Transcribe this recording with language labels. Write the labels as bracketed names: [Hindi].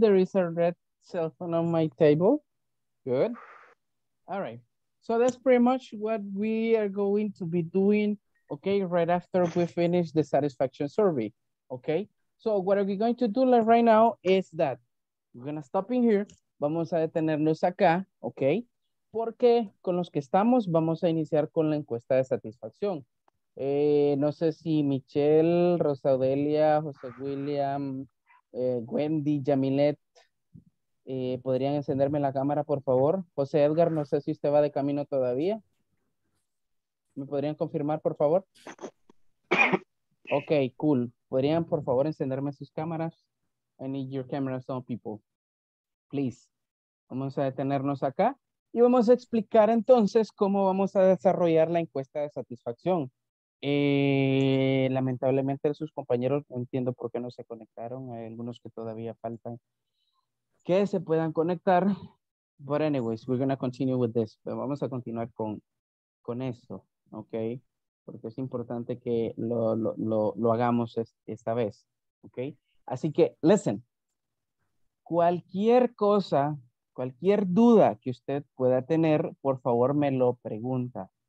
[English] There is a red cell phone on my table. Good. All right. So that's pretty much what we are going to be doing. Okay, right after we finish the satisfaction survey. Okay, so what are we going to do like right now is that we're going to stop in here. [Spanish] Vamos a detenernos acá, okay? Porque con los que estamos, vamos a iniciar con la encuesta de satisfacción. No sé si Michelle, Rosa Odelia, José William, Wendy, Yamilet, podrían encenderme la cámara, por favor. José Edgar, no sé si usted va de camino todavía. ¿Me podrían confirmar, por favor? Ok, cool. ¿Podrían, por favor, encenderme sus cámaras? [English] I need your cameras on, people. Please. [Spanish] Vamos a detenernos acá. Y vamos a explicar entonces cómo vamos a desarrollar la encuesta de satisfacción. Lamentablemente, sus compañeros, no entiendo por qué no se conectaron. Hay algunos que todavía faltan que se puedan conectar. [English] But anyways, we're going to continue with this. [Spanish] Pero vamos a continuar con esto. Ok, porque es importante que lo hagamos esta vez. Ok, así que, listen, cualquier cosa, cualquier duda que usted pueda tener, por favor me lo pregunta.